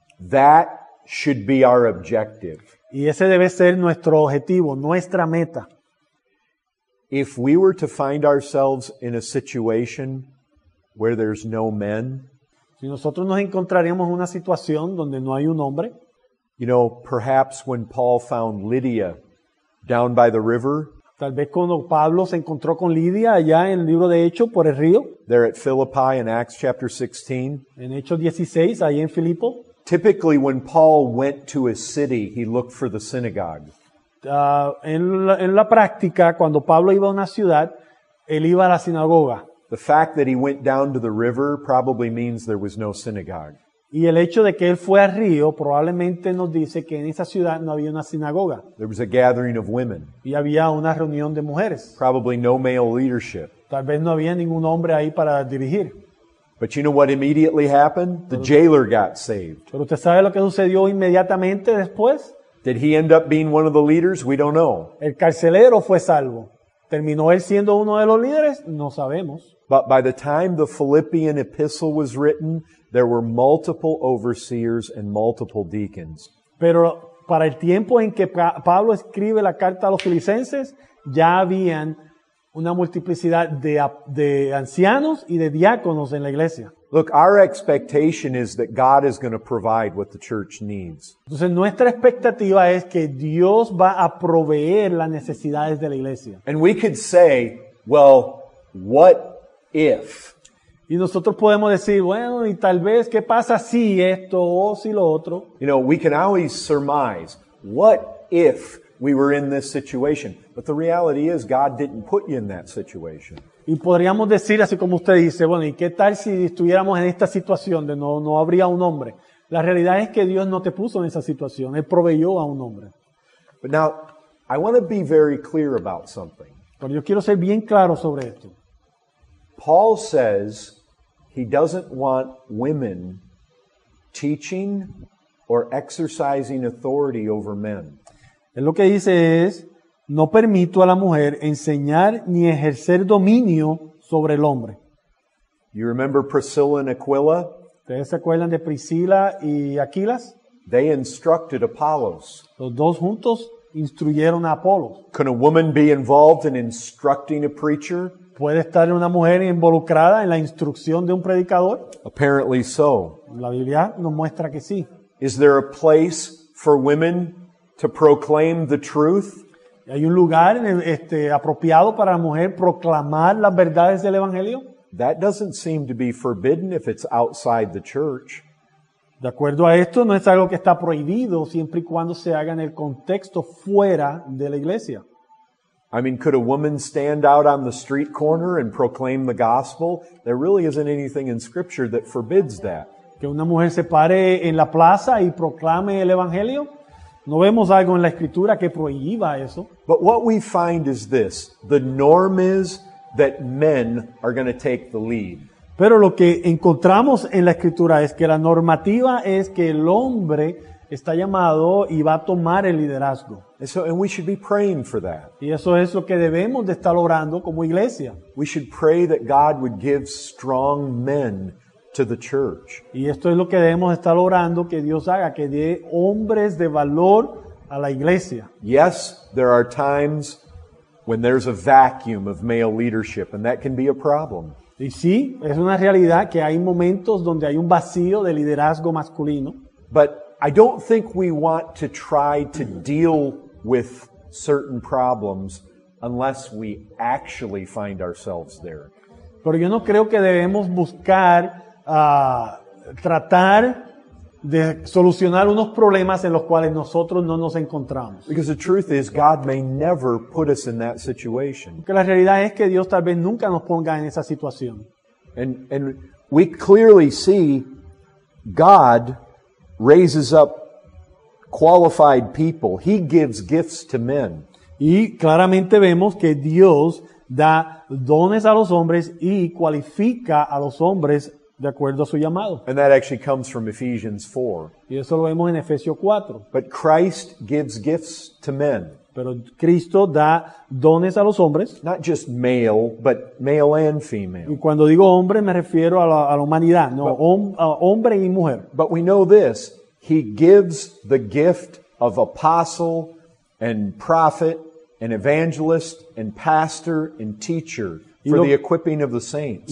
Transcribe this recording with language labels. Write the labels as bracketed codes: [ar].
[en] That should be our objective. [es] Y ese debe ser nuestro objetivo, nuestra meta. [en] If we were to find ourselves in a situation where there's no men, [es] si nosotros nos encontraríamos en una situación donde no hay un hombre, [en] you know, perhaps when Paul found Lydia down by the river, [es] tal vez cuando Pablo se encontró con Lydia allá en el libro de Hechos por el río, [en] there at Philippi in Acts chapter 16, [es] en Hechos 16, ahí en Filipo, [en] typically when Paul went to a city, he looked for the synagogue. [es] En la práctica, cuando Pablo iba a una ciudad, él iba a la sinagoga. [en] The fact that he went down to the river probably means there was no synagogue. [es] Y el hecho de que él fue al río probablemente nos dice que en esa ciudad no había una sinagoga. [en] There was a gathering of women. [es] Y había una reunión de mujeres. [en] Probably no male leadership. [es] Tal vez no había ningún hombre ahí para dirigir. [en] But you know what immediately happened? The jailer got saved. [es] Pero usted sabe lo que sucedió inmediatamente después. [en] Did he end up being one of the leaders? We don't know. [es] El carcelero fue salvo. ¿Terminó él siendo uno de los líderes? No sabemos. [en] But by the time the Philippian epistle was written, there were multiple overseers and multiple deacons. [es] Pero para el tiempo en que Pablo escribe la carta a los filicenses, ya habían una multiplicidad de ancianos y de diáconos en la iglesia. [en] Look, our expectation is that God is going to provide what the church needs. [es] Entonces, nuestra expectativa es que Dios va a proveer las necesidades de la iglesia. [en] And we could say, well, what if? [es] Y nosotros podemos decir, bueno, y tal vez, ¿qué pasa si esto o si lo otro? [en] You know, we can always surmise, what if we were in this situation? But the reality is, God didn't put you in that situation. [es] Y podríamos decir, así como usted dice, bueno, ¿y qué tal si estuviéramos en esta situación de no habría un hombre? La realidad es que Dios no te puso en esa situación. Él proveyó a un hombre. [en] But now, I want to be very clear about something. [es] Pero yo quiero ser bien claro sobre esto. [en] Paul says he doesn't want women teaching or exercising authority over men. [es] Él lo que dice es, no permito a la mujer enseñar ni ejercer dominio sobre el hombre. [en] You remember Priscilla and Aquila? [es] ¿Ustedes se acuerdan de Priscila y Aquilas? [en] They instructed Apollos. [es] Los dos juntos instruyeron a Apolos. [en] Can a woman be involved in instructing a preacher? [es] ¿Puede estar una mujer involucrada en la instrucción de un predicador? [en] Apparently so. [es] La Biblia nos muestra que sí. [en] Is there a place for women to proclaim the truth? [es] ¿Hay un lugar apropiado para la mujer proclamar las verdades del Evangelio? [en] That doesn't seem to be forbidden if it's outside the church. [es] De acuerdo a esto, no es algo que está prohibido siempre y cuando se haga en el contexto fuera de la iglesia. [en] I mean, could a woman stand out on the street corner and proclaim the gospel? There really isn't anything in Scripture that forbids that. [es] ¿Que una mujer se pare en la plaza y proclame el Evangelio? No vemos algo en la Escritura que prohíba eso. [en] But what we find is this. The norm is that men are going to take the lead. [es] Pero lo que encontramos en la Escritura es que la normativa es que el hombre está llamado y va a tomar el liderazgo. [en] And we should be praying for that. [es] Y eso es lo que debemos de estar orando como iglesia. [en] We should pray that God would give strong men to the church. [es] Y esto es lo que debemos estar orando que Dios haga, que dé hombres de valor a la iglesia. [en] Yes, there are times when there's a vacuum of male leadership, and that can be a problem. [es] Y sí, es una realidad que hay momentos donde hay un vacío de liderazgo masculino. [en] But I don't think we want to try to deal with certain problems unless we actually find ourselves there. [es] Pero yo no creo que debemos buscar a tratar de solucionar unos problemas en los cuales nosotros no nos encontramos. [en] Because the truth is, God may never put us in that situation. [es] Porque la realidad es que Dios tal vez nunca nos ponga en esa situación. [en] And we clearly see God raises up qualified people. He gives gifts to men. [es] Y claramente vemos que Dios da dones a los hombres y cualifica a los hombres de acuerdo a su llamado. [en] And that actually comes from Ephesians 4. [es] Y eso lo vemos en Efesios 4. [en] But Christ gives gifts to men. [es] Pero Cristo da dones a los hombres. [en] Not just male, but male and female. [es] Y cuando digo hombre, me refiero a la humanidad. No, hombre y mujer. [en] But we know this. He gives the gift of apostle and prophet and evangelist and pastor and teacher for the equipping of the saints.